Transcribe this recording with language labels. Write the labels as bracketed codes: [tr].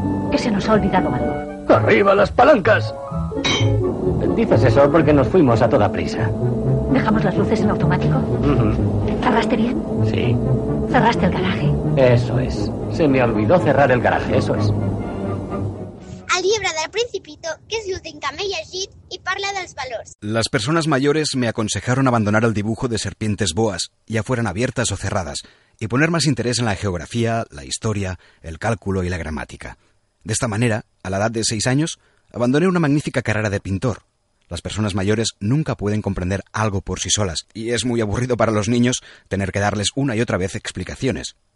[es] Que se nos ha olvidado algo. ¡Arriba las palancas! Dices eso porque nos fuimos a toda prisa. ¿Dejamos las luces en automático? Uh-huh. ¿Cerraste bien? Sí. ¿Cerraste el garaje? Eso es. Se me olvidó cerrar el garaje, eso es. [ca] El llibre del Principito, que és l'últim que m'he llegit, i parla dels valors. [es] Las personas mayores me aconsejaron abandonar el dibujo de serpientes boas, ya fueran abiertas o cerradas, y poner más interés en la geografía, la historia, el cálculo y la gramática. De esta manera, a la edad de 6 años, abandoné una magnífica carrera de pintor. Las personas mayores nunca pueden comprender algo por sí solas, y es muy aburrido para los niños tener que darles una y otra vez explicaciones.